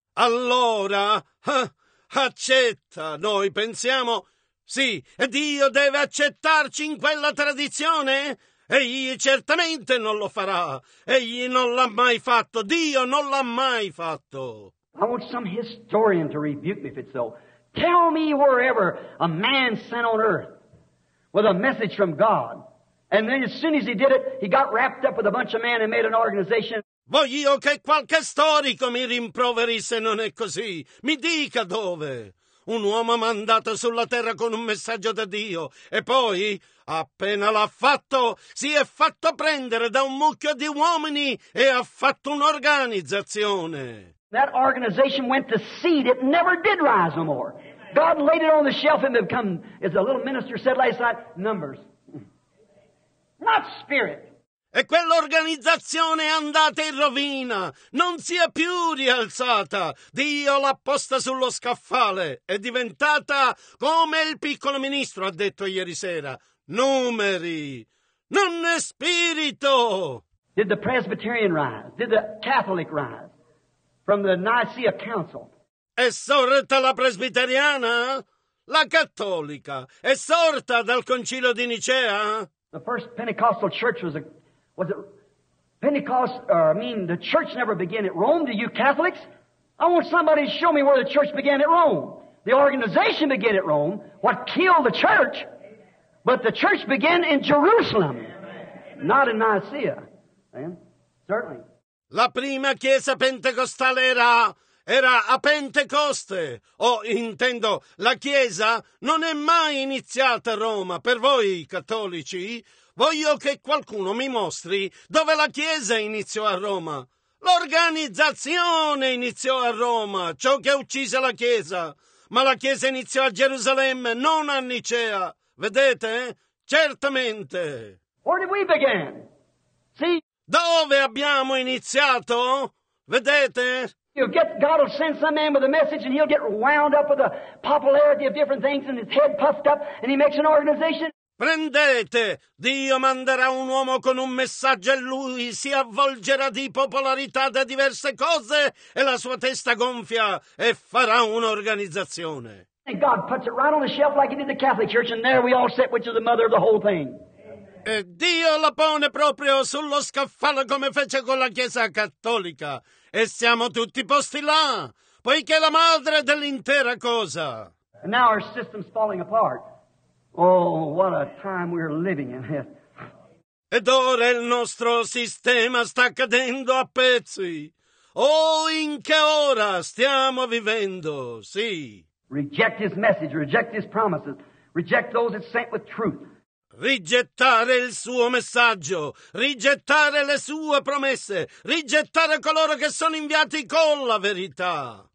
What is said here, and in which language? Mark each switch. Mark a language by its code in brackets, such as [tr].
[it] Allora, accetta, noi pensiamo... Sì, e Dio deve accettarci in quella tradizione? Egli certamente non lo farà. Egli non l'ha mai fatto. Dio non l'ha mai fatto. [en] I want some historian to rebuke me if it's so. Tell me wherever a man sent on earth with a message from God. And then as soon as he did it, he got wrapped up with a bunch of men and made an organization. [it] Voglio che qualche storico mi rimproveri se non è così. Mi dica dove. Un uomo mandato sulla terra con un messaggio da Dio. E poi, appena l'ha fatto, si è fatto prendere da un mucchio di uomini e ha fatto un'organizzazione. [en] That organization went to seed. It never did rise no more. God laid it on the shelf and become, as a little minister said last night, numbers. Not spirit. [it] E quell'organizzazione è andata in rovina, non si è più rialzata. Dio l'ha posta sullo scaffale, è diventata come il piccolo ministro ha detto ieri sera. Numeri, non è spirito. [en] Did the Presbyterian rise? Did the Catholic rise? From the Nicaea Council. [it] È sorta la presbiteriana? La cattolica? È sorta dal Concilio di Nicea? [en] The first Pentecostal church was a... Was it Pentecost, or I mean, the church never began at Rome? Do you Catholics? I want somebody to show me where the church began at Rome. The organization began at Rome, what killed the church. But the church began in Jerusalem, not in Nicaea. And certainly. [it] La prima chiesa pentecostale era a Pentecoste. Intendo, la chiesa non è mai iniziata a Roma. Per voi, cattolici... Voglio che qualcuno mi mostri dove la Chiesa iniziò a Roma. L'organizzazione iniziò a Roma, ciò che uccise la Chiesa. Ma la Chiesa iniziò a Gerusalemme, non a Nicea. Vedete? Certamente. [en] Where did we begin? See? [it] Dove abbiamo iniziato? Vedete? [en] You'll get, God will send some man with a message and he'll get wound up with the popularity of different things and his head puffed up and he makes an organization. [it] Prendete, Dio manderà un uomo con un messaggio e lui si avvolgerà di popolarità da diverse cose e la sua testa gonfia e farà un'organizzazione. [en] And God puts it right on the shelf like he did the Catholic Church and there we all sit, which is the mother of the whole thing. [it] E Dio la pone proprio sullo scaffale come fece con la Chiesa Cattolica e siamo tutti posti là, poiché la madre dell'intera cosa. [en] And now our system's falling apart. Oh, what a time we're living in. [it] Ed ora il nostro sistema sta cadendo a pezzi. Oh, in che ora stiamo vivendo, sì. [en] Reject his message, reject his promises. Reject those that sent with truth. [it] Rigettare il suo messaggio, rigettare le sue promesse, rigettare coloro che sono inviati con la verità.